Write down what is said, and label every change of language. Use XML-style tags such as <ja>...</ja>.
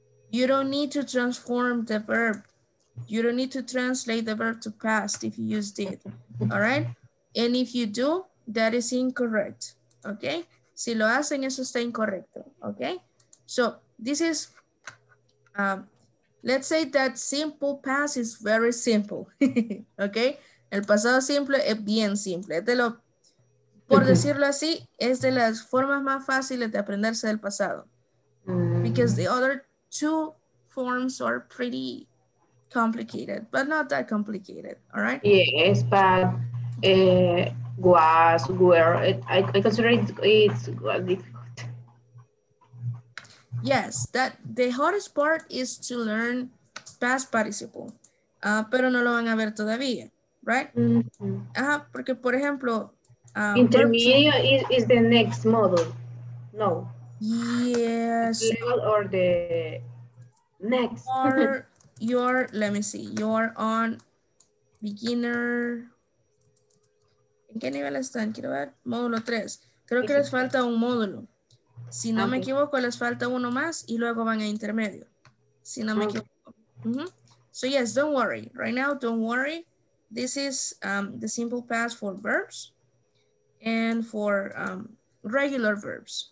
<en>You don't need to transform the verb. You don't need to translate the verb to past if you used it, all right? And if you do, that is incorrect, okay?</en> <es>Si lo hacen, eso está incorrecto,</es> <en>okay? So, this is, let's say that simple past is very simple, okay?</en> <es>El pasado simple es bien simple. Es de lo, por decirlo así, es de las formas más fáciles de aprenderse del pasado.</es> <en>Because the other two forms are pretty complicated, but not that complicated, all right? Yes, but... was, were, I consider it's difficult. Yes, that the hardest part is to learn past participle,</en> <es>pero no lo van a ver todavía,</es> <en>right? Mm-hmm.</en> <es>Porque por ejemplo,</es> <en>intermedio is the next model, no? Yes. Level or the next? Or your, let me see, you're on beginner.</en> <es>¿En qué nivel están? Quiero ver. Módulo 3. Creo que les falta un módulo. Si no me equivoco, les falta uno más y luego van a intermedio. Si no me equivoco.</es> <en>Mm-hmm. So yes, don't worry. Right now, don't worry. This is the simple past for verbs and for regular verbs.</en>